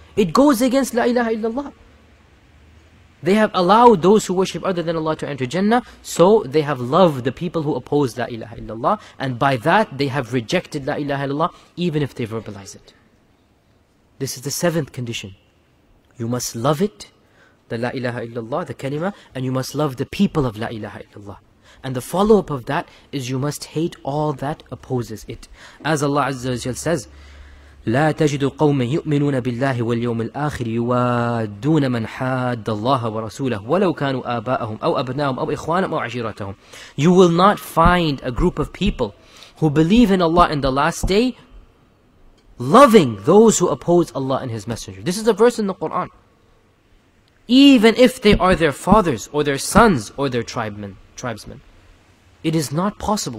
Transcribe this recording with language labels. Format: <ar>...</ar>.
<en>It goes against La ilaha illallah. They have allowed those who worship other than Allah to enter Jannah, so they have loved the people who oppose La ilaha illallah, and by that they have rejected La ilaha illallah, even if they verbalize it. This is the seventh condition. You must love it, the La ilaha illallah, the kalima, and you must love the people of La ilaha illallah. And the follow-up of that is you must hate all that opposes it. As Allah Azza wa Jal says,</en> <ar>لَا تَجِدُ قَوْمًا يُؤْمِنُونَ بِاللَّهِ وَالْيَوْمِ الْآخِرِ يُوَادُّونَ مَنْ حَادَّ اللَّهَ وَرَسُولَهُ وَلَوْ كَانُوا آبَاءَهُمْ أَوْ أَبْنَاهُمْ أَوْ إِخْوَانَهُمْ أَوْ عَشِيرَتَهُمْ.</ar> <en>You will not find a group of people who believe in Allah in the last day loving those who oppose Allah and His Messenger. This is a verse in the Quran. Even if they are their fathers or their sons or their tribesmen, it is not possible.</en>